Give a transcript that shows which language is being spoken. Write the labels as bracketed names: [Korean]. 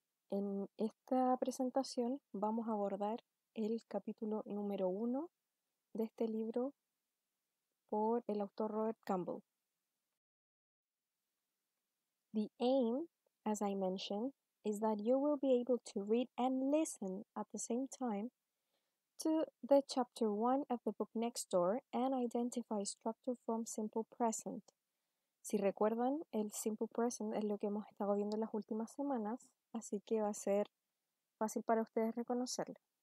[Spanish] En esta presentación vamos a abordar el capítulo número 1 de este libro por el autor Robert Campbell. [English] The aim, as I mentioned, is that you will be able to read and listen at the same time to the chapter 1 of the book Next Door and identify structure from simple present. [Spanish] Si recuerdan, el simple present es lo que hemos estado viendo en las últimas semanas, así que va a ser fácil para ustedes reconocerlo.